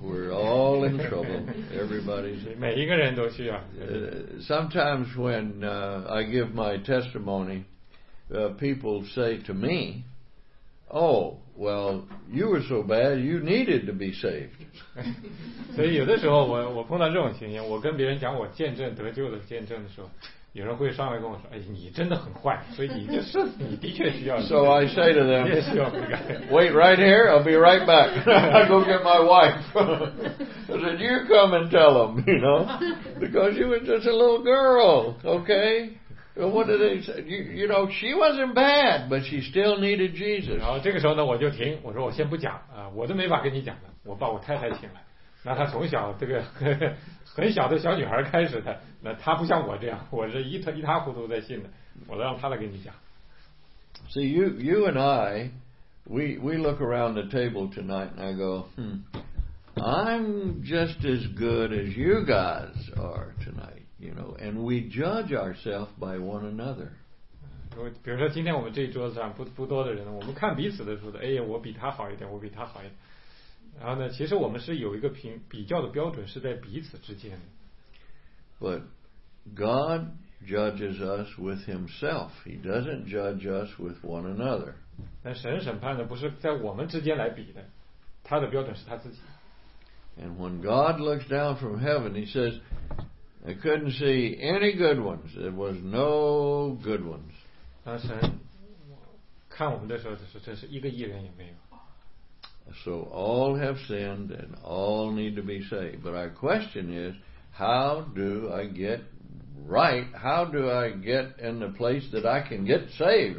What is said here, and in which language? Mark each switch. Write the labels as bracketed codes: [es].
[en] We're all in trouble. Everybody. [zh] 每一个人都需要。 [en] Sometimes when I give my testimony, people say to me, "Oh. Well, you were so bad, you needed to be saved." [zh] 所以有的时候我碰到这种情形，我跟别人讲我见证得救的见证的时候，有人会上来跟我说：“哎，你真的很坏，所以你就是你的确需要。” [en] So I say to them, "Wait right here, I'll be right back. I'll go get my wife." I said, "You come and tell them, you know, because you were just a little girl, okay?" So what did they say? You know, she wasn't bad, but she still needed Jesus. [zh] 然后这个时候呢，我就停，我说我先不讲啊，我都没法跟你讲了。我把我太太请来，那她从小这个很小的小女孩开始的，那她不像我这样，我是一塌糊涂在信的，我都让她来跟你讲。 [en] See, you and I, we look around the table tonight, and I go, I'm just as good as you guys are tonight. You know, and we judge ourselves by one another. [zh] 比如说今天我们这一桌子上不多的人，我们看彼此的时候，哎呀，我比他好一点，我比他好一点。然后呢，其实我们是有一个比较的标准，是在彼此之间。 [en] But God judges us with himself. He doesn't judge us with one another. [zh] 神审判的不是在我们之间来比的, 他的标准是他自己。 [en] And when God looks down from heaven, he says, I couldn't see any good ones. There was no good ones. [zh] 神看我们的时候只是一个义人也没有。 [en] So all have sinned and all need to be saved. But our question is, how do I get right? How do I get in the place that I can get saved?